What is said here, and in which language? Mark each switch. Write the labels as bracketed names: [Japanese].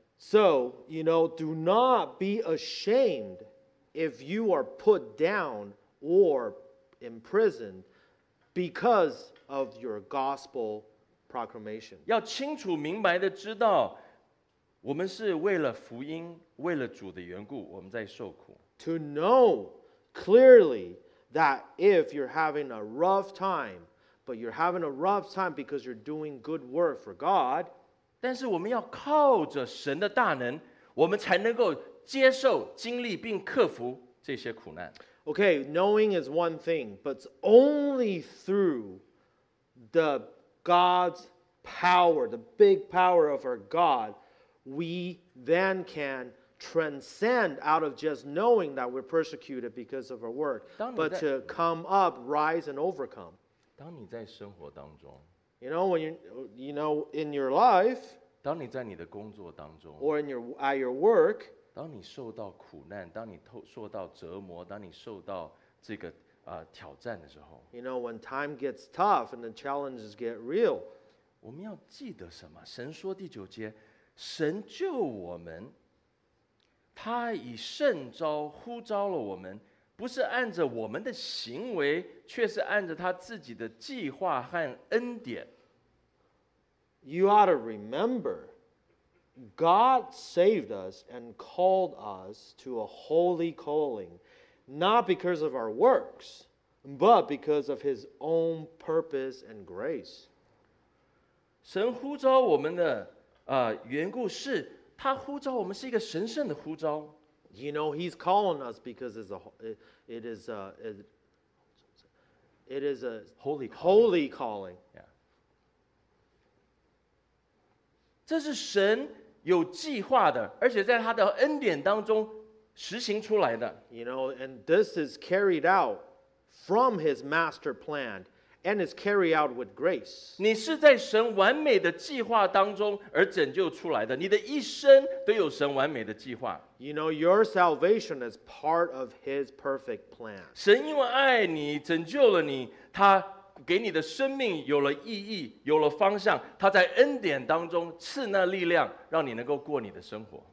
[English] So you know, do not be ashamed if you are put down or imprisoned because of your gospel. Proclamation. [Chinese] 要清楚明白的知道，我们是为了福音，为了主的缘故，我们在受苦。 [English] To know clearly that if you're having a rough time, but you're having a rough time because you're doing good work for God. [Chinese] 但是我们要靠着神的大能，我们才能够接受、经历并克服这些苦难。 [English] Okay, knowing is one thing, but it's only through the God's power, the big power of our God, we then can transcend out of just knowing that we're persecuted because of our work, but to come up, rise, and overcome. [Chinese] 当你在生活当中 [English] you know, when you know, in your life, [Chinese] 当你在你的工作当中 [English] or in at your work, [Chinese] 当你受到苦难，当你受到折磨，当你受到这个挑战的时候 [English] you know, when time gets tough and the challenges get real, [Chinese] 我们要记得什么？神说第九节，神救我们，他以圣召呼召了我们，不是按着我们的行为，却是按着他自己的计划和恩典。 [English] You ought to remember, God saved us and called us to a holy calling. Not because of our works, but because of His own purpose and grace. [Chinese] 神呼召我们的缘故是他呼召我们是一个神圣的呼召。 [English] You know, He's calling us because it is a It is a holy calling. Holy calling. Yeah. [Chinese] 这是神有计划的，而且在他的恩典当中实行出来的。 [English] You know, and this is carried out from His master plan, and is carried out with grace. [Chinese] 你是在神完美的计划当中而拯救出来的，你的一生都有神完美的计划。 [English] You know, your salvation is part of His perfect plan. [Chinese] 神因为爱你，拯救了你，他给你的生命有了意义，有了方向，他在恩典当中赐那力量，让你能够过你的生活。